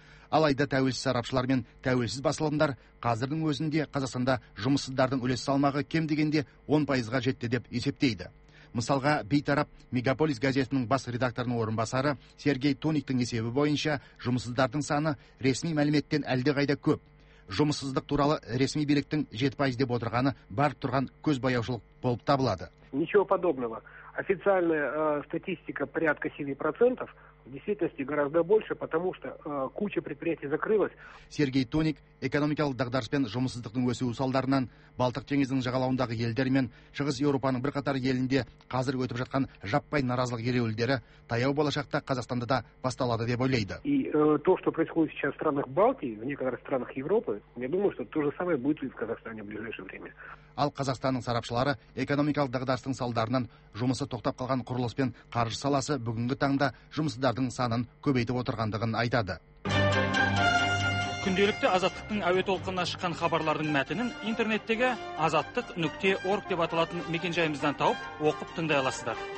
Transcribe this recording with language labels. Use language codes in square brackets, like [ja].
[kk] Алайда тәуелсіз сарапшылар мен тәуелсіз басылымдар қазірдің өзінде Қазақстанда жұмыссыздардың үлес салмағы кем дегенде 10%-ға жетті деп есептейді. Мысалға, бейтарап Мегаполис газетінің бас редакторының орынбасары Сергей Тониктің есебі бойынша жұмыссыздардың саны ресми мәліметтен әлдеқайда көп. Жұмыссыздық туралы ресми биліктің 7% деп отырғаны барып тұрған көзбояушылық болып табылады. [ru] Ничего подобного. Официальная статистика порядка 7%, в действительности гораздо больше, потому что куча предприятий закрылась. [kk] Сергей Тоник экономикалық дағдарыс пен жұмыссыздықтың өсуі салдарынан Балтық теңізінің жағалауындағы елдер мен Шығыс Еуропаның бірқатар елінде қазір өтіп жатқан жаппай наразылық ереуілдері таяу болашақта Қазақстанда да басталады деп ойлайды. [ru] И то, что происходит сейчас в странах Балтии, в некоторых странах Европы, я думаю, что то же самое будет и в Казахстане в ближайшее время. [kk] Ал Қазақстанның сарапшылары экономикалық дағдарыстың салдарынан жұмысы тоқтап қалған құрылыс пен қаржы саласы бүгінгі таңда жұмыссыздардың санын көбейтіп отырғандығын айтады. күнделікті азаттықтың әуе толқынына шыққан хабарлардың мәтінін интернеттегі азаттық.орг деп аталатын мекенжайымыздан тауып, оқып тыңдай аласыздар.